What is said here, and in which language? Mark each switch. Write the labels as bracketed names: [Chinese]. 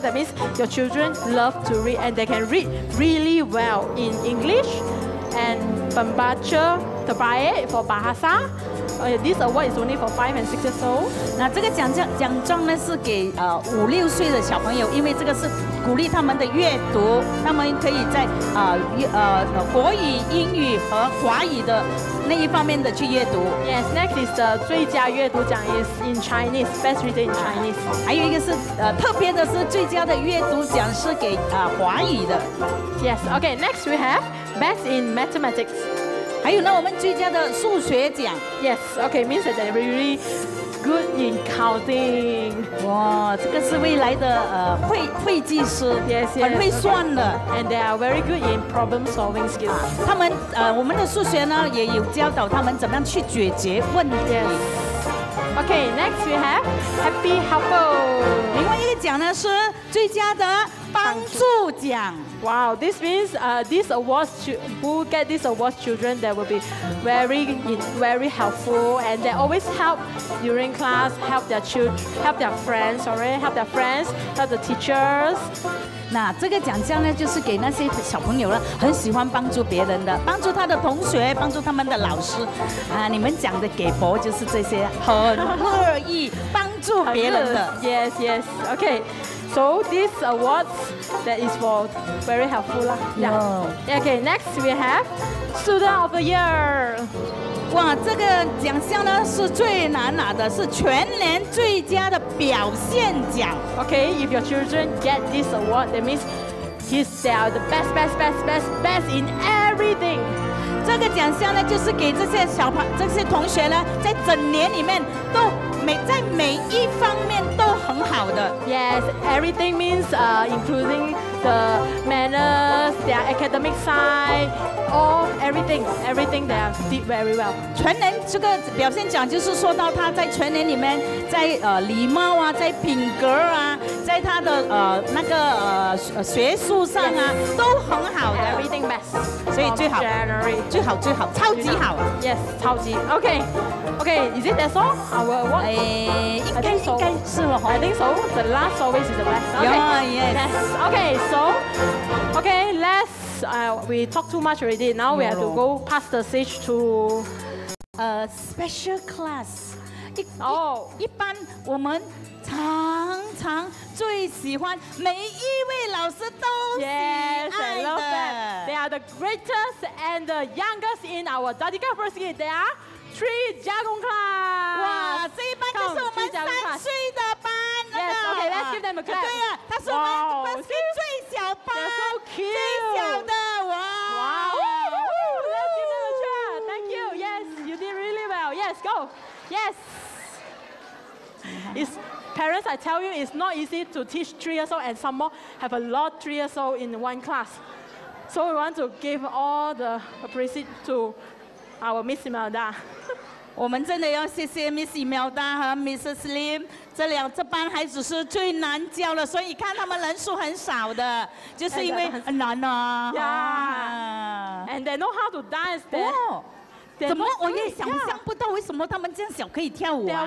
[English] That means your children love to read and they can read really well in English and [Malay] pembaca terbaik [English] for bahasa. This award is only for 5 and 6 years old. [Chinese] 那这个奖状呢是给五六岁的小朋友，因为这个是鼓励他们的阅读，他们可以在国语、英语和华语的那一方面的去阅读。 [English] Yes, next is the [Chinese] 最佳阅读奖 [English] is in Chinese, best reader in Chinese. [Chinese] 还有一个是特别的是最佳的阅读奖是给华语的。 [English] Yes, okay, next we have best in mathematics. [Chinese] 还有呢，我们最佳的数学奖。 [English] Yes, okay, means that they're really good in counting. [Chinese] 哇，这个是未来的会计师。 [English] Yes, [Chinese] 很会算的。 [English] And they are very good in problem solving skills. [Chinese] 他们我们的数学呢也有教导他们怎么样去解决问题。 [English] Yes. Okay, next we have Happy Helper. [Chinese] 另外一个奖呢是最佳的帮助奖。 [English] Wow, this means this award, who get this award, children, they will be very, very helpful, and they always help during class, help their children, help their friends, help the teachers. [Chinese] 那这个奖项呢，就是给那些小朋友了，很喜欢帮助别人的，帮助他的同学，帮助他们的老师。啊，你们讲的给博就是这些，很乐意帮助别人的。 [English] Yes. Okay. So this award that is for very helpful lah. Yeah. Okay. Next we have Student of the Year. [Chinese] 哇，这个奖项呢是最难拿的，是全年最佳的表现奖。 [English] Okay. If your children get this award, that means they are the best in everything. [Chinese] 这个奖项呢，就是给这些同学呢，在整年里面都在每一方面都很好的。 [English] Yes, everything means including the manners, their academic side, everything they have did very well. [Chinese] 全年这个表现奖就是说到他在全年里面，在礼貌啊，在品格啊，在他的学术上啊，都很好的。 [English] Everything best. [Chinese] 所以最好，最好，最好，超级好。 [English] Yes, [Chinese] 超级。 [English] Okay. Is it that's all? Our award? [Chinese] 应该是了。 [English] I think so. The last always is the best. Yes. Okay. So, okay. Let's. We talk too much already. Now we have to go pass the stage to a special class. Oh. [Chinese] 一般我们常常最喜欢每一位老师都喜爱的 [English] yes, I love them. They are the greatest and the youngest in our Dadika First Kid. They are 3 Jagong Class. [Chinese] 哇，这一班就是我们三岁的班。 [English] Yes, okay, let's give them a clap. [Chinese] 对啊，他是我们 First Kid 最小班。 [English] They're so cute. [Chinese] 最小的，哇。 [English] Wow, let's give them a clap. Thank you. Yes, you did go. Yes. It's, parents, I tell you, it's not easy to teach 3 years old and some more have a lot 3 years old in one class. So we want to give all the appreciation to our Miss Imelda. [Chinese] 我们真的要谢谢 Miss Imelda 和 Mrs. Lim 这两这班孩子是最难教的，所以你看他们人数很少的，就是因为很难啊。Yeah. [English] And they know how to dance. They, oh. [Chinese] 怎么我也想象不到为什么他们这样小可以跳舞啊